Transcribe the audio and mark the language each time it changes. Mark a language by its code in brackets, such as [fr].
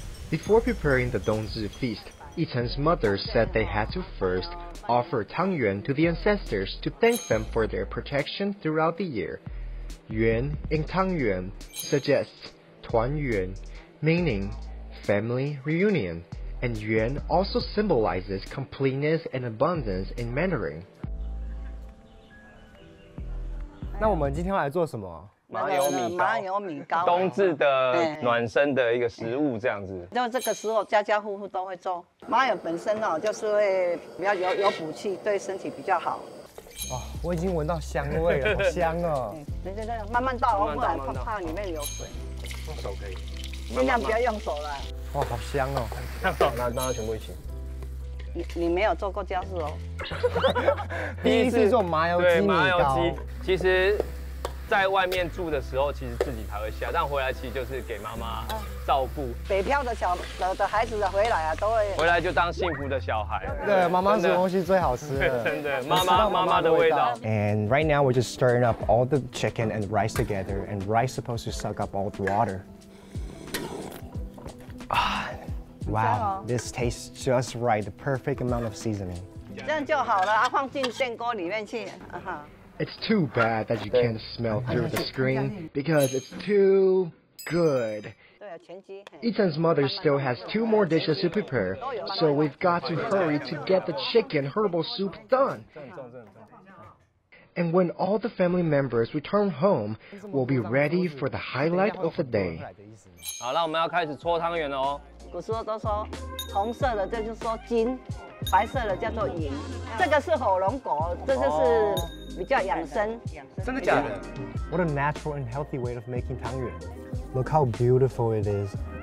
[en] Before preparing the Dongzi feast, Yichen's mother said they had to first offer Tangyuan to the ancestors to thank them for their protection throughout the year. Yuan in Tangyuan suggests Tuan Yuan, meaning family reunion, and Yuan also symbolizes completeness and abundance in Mandarin. [zh] 那我们今天要来做什么？麻油米糕，麻油米糕，冬至的暖身的一个食物，这样子。就这个时候，家家户户都会做。麻油本身哦，就是会比较有补气，对身体比较好。哇，我已经闻到香味了，好香哦！对对对，慢慢倒，不然怕里面有水。用手可以，尽量不要用手了。哇，好香哦！那大家全部一起。你没有做过家事哦，第一次做麻油鸡米糕。麻油鸡，其实，在外面住的时候，其实自己才会下，但回来其实就是给妈妈照顾。北漂的小的孩子回来啊，都会回来就当幸福的小孩。对，妈妈煮东西最好吃了，真的，妈妈的味道。 [en] And right now we're just stirring up all the chicken and rice together, and rice is supposed to suck up all the water. Wow, this tastes just right, the perfect amount of seasoning. [zh] 这样就好了，放进电锅里面去。 [en] It's too bad that you can't smell through the screen because it's too good. Yichen's mother still has two more dishes to prepare, so we've got to hurry to get the chicken herbal soup done. And when all the family members return home, we'll be ready for the highlight of the day. [zh] 好，那我们要开始搓汤圆哦。古时候都说，红色的就是说金，白色的叫做银。这个是火龙果，这就是比较养生。真的假的 [en] ？What a natural and healthy way of making 汤圆。Look how beautiful it is.